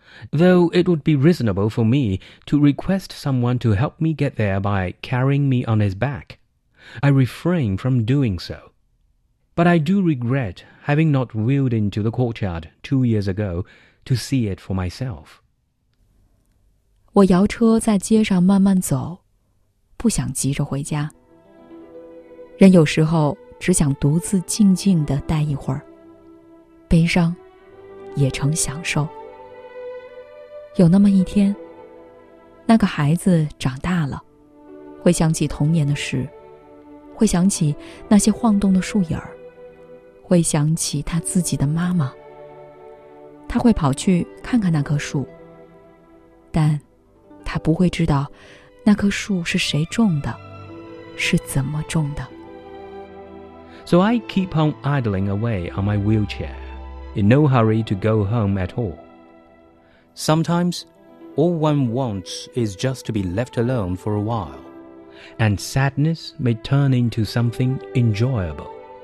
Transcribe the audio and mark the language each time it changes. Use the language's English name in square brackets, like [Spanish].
[English] Though it would be reasonable for me to request someone to help me get there by carrying me on his back, I refrain from doing so. But I do regret having not wheeled into the courtyard 2 years ago to see it for myself. [Chinese] 我摇车在街上慢慢走，不想急着回家。人有时候只想独自静静地待一会儿，悲伤也成享受。有那么一天，那个孩子长大了，会想起童年的事，会想起那些晃动的树影，会想起他自己的妈妈。他会跑去看看那棵树，但他不会知道那棵树是谁种的，是怎么种的。 [English] So I keep on idling away on my wheelchair, in no hurry to go home at all. Sometimes, all one wants is just to be left alone for a while, and sadness may turn into something enjoyable.